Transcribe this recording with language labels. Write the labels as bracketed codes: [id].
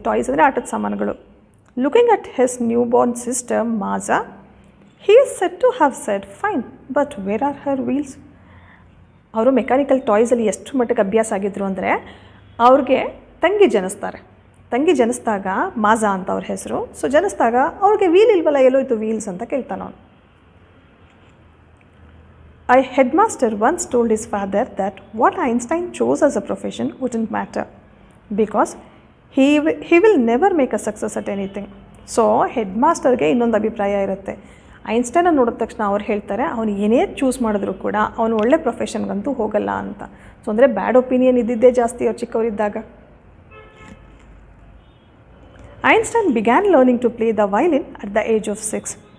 [kn] Toys ಅಂದರೆ ಆಟದ ಸಾಮಾನುಗಳು. [en] Looking at his new born sister Maja, he is set to have said fine but where are her wheels. [kn] ಅವರು mechanical ಟಾಯ್ಸಲ್ಲಿ ಎಷ್ಟು ಮಟ್ಟಕ್ಕೆ ಅಭ್ಯಾಸ ಆಗಿದ್ರು ಅಂದರೆ, ಅವ್ರಿಗೆ ತಂಗಿ ಜನಿಸ್ತಾರೆ. ತಂಗಿ ಜನಿಸಿದಾಗ ಮಾಜಾ ಅಂತ ಅವ್ರ ಹೆಸರು. ಸೊ ಜನಿಸಿದಾಗ ಅವ್ರಿಗೆ ವೀಲ್ ಇಲ್ವಲ್ಲ, ಎಲ್ಲೋಯ್ತು ವೀಲ್ಸ್ ಅಂತ ಕೇಳ್ತಾನೆ ಅವನು. [en] A headmaster once told his father that what Einstein chose as a profession wouldn't matter because he will never make a success at anything. [kn] So, headmaster ಗೆ ಇನ್ನೊಂದು ಅಭಿಪ್ರಾಯ ಇರುತ್ತೆ. ಐನ್ಸ್ಟೈನ ನೋಡಿದ ತಕ್ಷಣ ಅವ್ರು ಹೇಳ್ತಾರೆ ಅವನು ಏನೇ ಚೂಸ್ ಮಾಡಿದ್ರೂ ಕೂಡ ಅವನು ಒಳ್ಳೆ ಪ್ರೊಫೆಷನ್ಗಂತೂ ಹೋಗಲ್ಲ ಅಂತ. ಸೊ ಅಂದರೆ ಬ್ಯಾಡ್ ಒಪಿನಿಯನ್ ಇದ್ದಿದ್ದೇ ಜಾಸ್ತಿ ಅವ್ರು ಚಿಕ್ಕವರಿದ್ದಾಗ. [en] Einstein began learning to play the violin at the age of 6.